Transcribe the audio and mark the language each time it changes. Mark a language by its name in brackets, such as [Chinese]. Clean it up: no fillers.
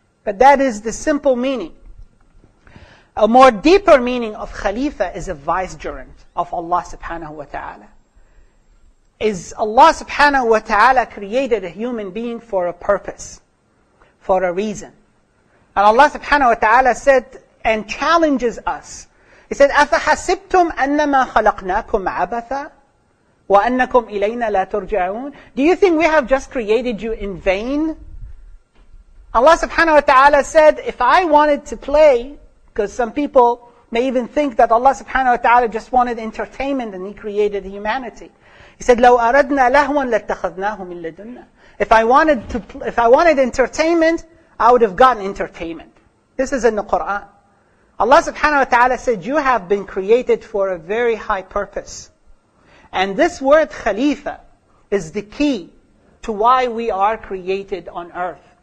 [English] But that is the simple meaning. A more deeper meaning of khalifa is a vicegerent of Allah subhanahu wa ta'ala. Is Allah subhanahu wa ta'ala created a human being for a purpose, for a reason? And Allah subhanahu wa ta'ala said and challenges us. He said, [Arabic] أَفَحَسِبْتُمْ أَنَّمَا خَلَقْنَاكُمْ عَبَثًا وَأَنَّكُمْ إِلَيْنَا لَا تُرْجَعُونَ. [English] Do you think we have just created you in vain? Allah subhanahu wa ta'ala said, if I wanted to play, because some people may even think that Allah subhanahu wa ta'ala just wanted entertainment and He created humanity. He said, [Arabic] لَوْ أَرَدْنَا لَهْوًا لَاتَّخَذْنَاهُ مِنْ لَدُنَّا. [English] If I wanted entertainment, I would have gotten entertainment. This is in the Quran. Allah subhanahu wa ta'ala said, you have been created for a very high purpose. And this word khalifa is the key to why we are created on earth.